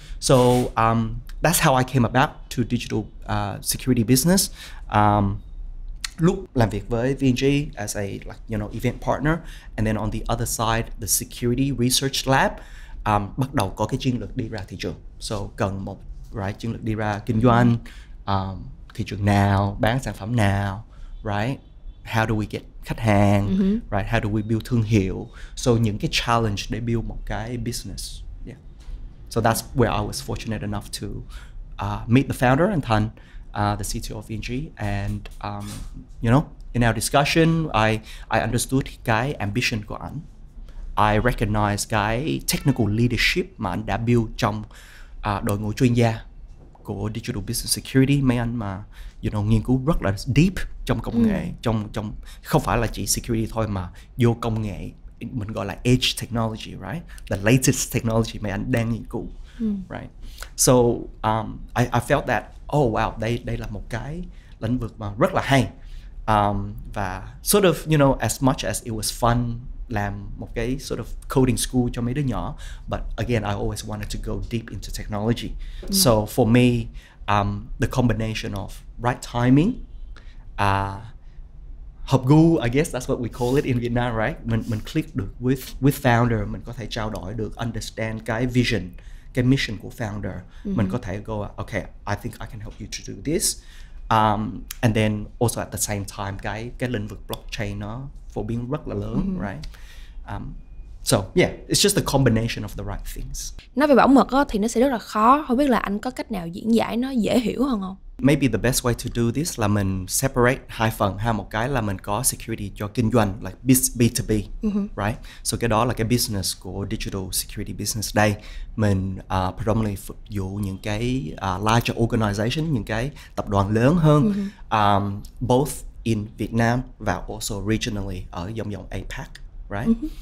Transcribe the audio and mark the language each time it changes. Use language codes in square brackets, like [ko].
[en] So that's how I came about to digital security business. [vi] Lúc làm việc với [en] VNG as a like you know event partner, and then on the other side the security research lab [vi] bắt đầu có cái chiến lược đi ra thị trường. So cần một [en] right [vi] chiến lược đi ra kinh doanh, thị trường nào, bán sản phẩm nào, right? [en] How do we get [vi] khách hàng, [en] right? How do we build [vi] thương hiệu? So những cái challenge để build một cái business. [en] Yeah. So that's where I was fortunate enough to meet the founder and Thành, the CTO of VNG, and you know, in our discussion, I understood [vi] cái ambition của anh. [en] I recognize [vi] cái technical leadership mà anh đã build trong đội ngũ chuyên gia của Digital Business Security, mấy anh mà you know, nghiên cứu rất là deep trong công nghệ, trong không phải là chỉ security thôi mà vô công nghệ, mình gọi là [en] edge technology, right? The latest technology [vi] mấy anh đang nghiên cứu, right? [en] So I felt that, oh wow, [vi] đây là một cái lĩnh vực mà rất là hay. [en] Và sort of, you know, as much as it was fun [vi] làm một cái [en] sort of coding school [vi] cho mấy đứa nhỏ, [en] but again, I always wanted to go deep into technology. So for me, the combination of right timing, [vi] hợp gu, [en] I guess that's what we call it in Vietnam, right? [vi] Mình [en] click được with founder, [vi] mình có thể trao đổi được, understand cái vision, cái mission của founder. Mình có thể [en] go, okay, I think I can help you to do this. And then also at the same time, [vi] cái lĩnh vực blockchain nó phổ biến rất là lớn, right? [en] So yeah, it's just the combination of the right things. [vi] Nói về bảo mật đó, thì nó sẽ rất là khó. Không biết là anh có cách nào diễn giải nó dễ hiểu hơn không? [en] Maybe the best way to do this [vi] là mình separate hai phần ha. Một cái là mình có security cho kinh doanh, like B2B, right? So cái đó là cái business của Digital Security Business Day. Mình predominantly phục vụ những cái larger organization, những cái tập đoàn lớn hơn, [en] both in Vietnam [vi] và also regionally ở dòng APAC, right?